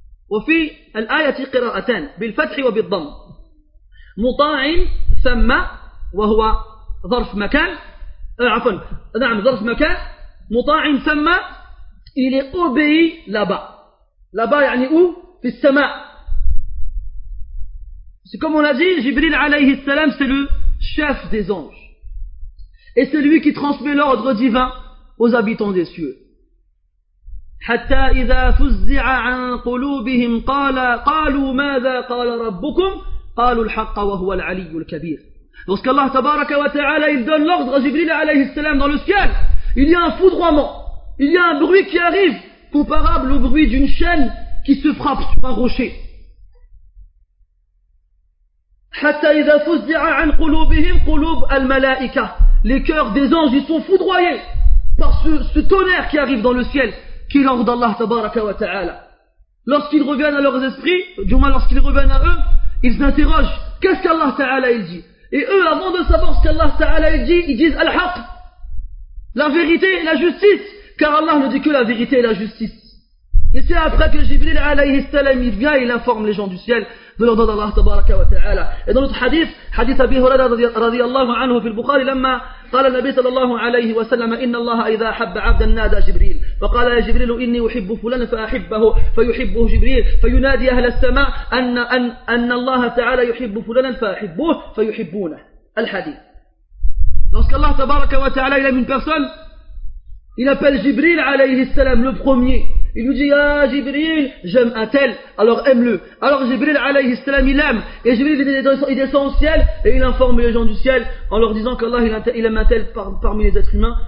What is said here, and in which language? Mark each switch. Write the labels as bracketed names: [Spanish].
[Arabic] وفي الآية قراءتان بالفتح وبالضم مطاع ثم وهو ظرف مكان عفوا نعم ظرف مكان مطاع ثم إلى أبي لبا لبا يعني أو في السماء [French] c'est comme on l'a dit Jibril عليه السلام c'est le chef des anges et c'est lui qui transmet l'ordre divin aux habitants des cieux. [Arabic] حتى إذا فزع عن قلوبهم قالوا ماذا قال ربكم قالوا الحق وهو العلي الكبير. [French] Lorsque Allah tabaraka wa ta'ala il donne l'ordre à Jibril alayhi salam dans le ciel, il y a un foudroiement, il y a un bruit qui arrive comparable au bruit d'une chaîne qui se frappe sur un rocher. [Arabic] حتى إذا فزع عن قلوبهم قلوب الملائكة, [French] les cœurs des anges ils sont foudroyés par ce tonnerre qui arrive dans le ciel qui est l'ordre d'Allah tabaraka wa ta'ala. Lorsqu'ils reviennent à leurs esprits, du moins lorsqu'ils reviennent à eux, ils s'interrogent, qu'est-ce qu'Allah ta'ala il dit? Et eux, avant de savoir ce qu'Allah ta'ala il dit, ils disent al-haq, la vérité et la justice, car Allah ne dit que la vérité et la justice. Et c'est après que Jibril alayhi salam il vient, il informe les gens du ciel de l'ordre d'Allah tabaraka wa ta'ala. Et dans notre hadith, hadith Abi Hurayra radiyallahu anhu fil Bukhari, lamma [Arabic] قال النبي صلى الله عليه وسلم إن الله إذا أحب عبدا نادى جبريل فقال يا جبريل إني أحب فلان فأحبه فيحبه جبريل فينادي أهل السماء أن الله تعالى يحب فلان فأحبه فيحبونه. الحديث [French] Lorsqu'Allah tabaraka wa ta'ala il aime une personne, il appelle Jibril alayhi salam le premier. Il lui dit, ah Jibril, j'aime un tel, alors aime-le. Alors Jibril alayhi salam il aime. Et Jibril il descend au ciel et il informe les gens du ciel en leur disant qu'Allah il aime un tel parmi les êtres humains.